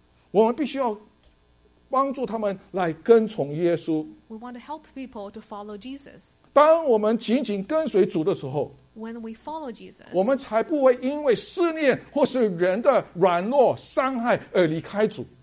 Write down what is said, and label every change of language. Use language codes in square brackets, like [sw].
[zh] 我们必须要帮助他们来跟从耶稣。 [en] We want to help people to follow Jesus. [zh] 当我们紧紧跟随主的时候, [en] when we follow Jesus, [zh] 我们才不会因为思念或是人的软弱伤害而离开主。